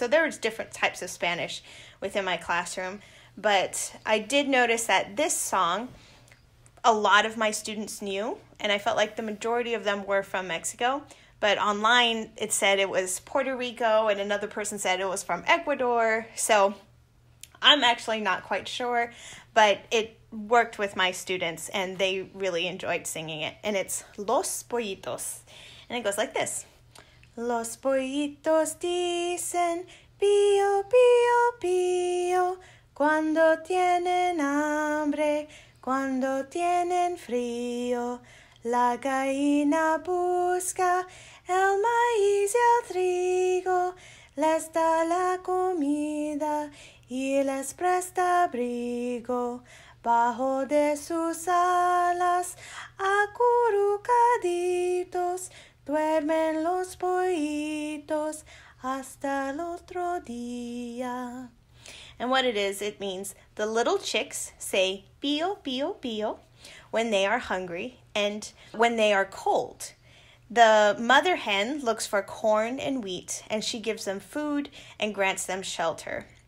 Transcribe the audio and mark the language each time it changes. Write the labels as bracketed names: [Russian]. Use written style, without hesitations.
[English] So there was different types of Spanish within my classroom. But I did notice that this song, a lot of my students knew, and I felt like the majority of them were from Mexico. But online, it said it was Puerto Rico, and another person said it was from Ecuador. So I'm actually not quite sure, but it worked with my students, and they really enjoyed singing it. And it's Los Pollitos. And it goes like this. [Spanish] Los pollitos dicen pío, pío, pío cuando tienen hambre, cuando tienen frío. La gallina busca el maíz y el trigo. Les da la comida y les presta abrigo. Bajo de sus alas, acurrucaditos, duermen los pollitos, hasta el otro día. [English] And what it is, it means the little chicks say pío, pío, pío when they are hungry and when they are cold. The mother hen looks for corn and wheat, and she gives them food and grants them shelter.